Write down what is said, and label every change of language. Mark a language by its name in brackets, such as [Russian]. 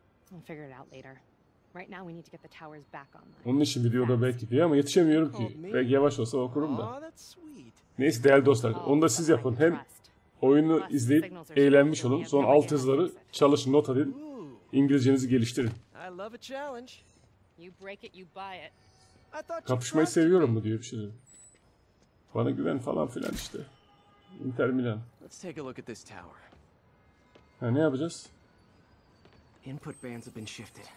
[English] We'll figure it out later. Right now we need to get the towers back online. [Turkish] Onun için videoda belki diyor ama yetişemiyorum ki. Belki yavaş olsa okurum da. Neyse değerli dostlar, onu da siz yapın. Hem oyunu izleyip eğlenmiş olun. Son alt hızları çalışın, not edin. İngilizcenizi geliştirin. [English] I love a challenge. You break it, you buy it. [Turkish] Kapışmayı seviyorum mu diyor bir şey. Bana güven falan filan işte. Inter Milan. [English] Let's take a look at this tower. [Turkish] Ha, ne yapacağız? [English] Input bands have been shifted.